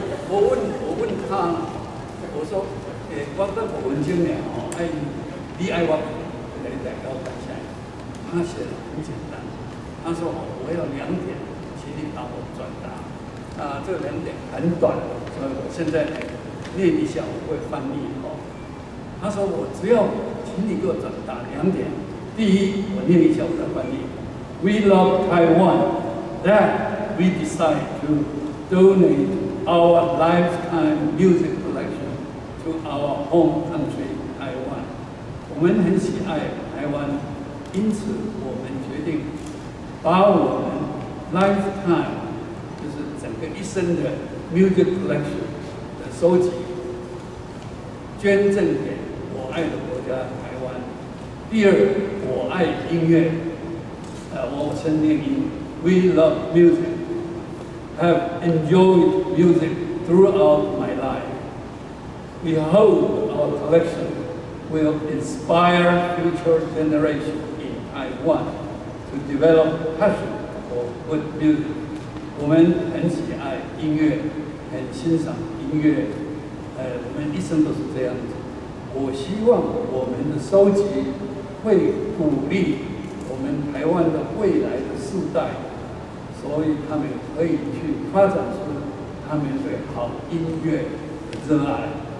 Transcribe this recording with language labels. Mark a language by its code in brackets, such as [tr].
[zh] 我问他，我说，光在我文青年哦，爱 DIY， 给你蛋糕摆下来。他写的很简单，他说哦，我要2点，请你帮我转达。啊，这2点很短，所以我现在念一下，我会翻译哦。他说我只要请你给我转达2点。第一，我念一下我的翻译 [en] ：We love Taiwan, that we decide to donate our lifetime music collection to our home country, Taiwan。 [zh] 我们很喜爱台湾，因此我们决定把我们 lifetime， 就是整个一生的 music collection 的收集，捐赠给我爱的国家台湾。第二，我爱音乐，我先念音 [en] We love music, have enjoyed music throughout my life. We hope our collection will inspire future generations in Taiwan to develop passion for good music. [zh] 我们很喜爱音乐，很欣赏音乐，我们一生都是这样子。我希望我们的收集会鼓励我们台湾的未来的世代，所以他们可以去发展出他们对好音乐的热爱。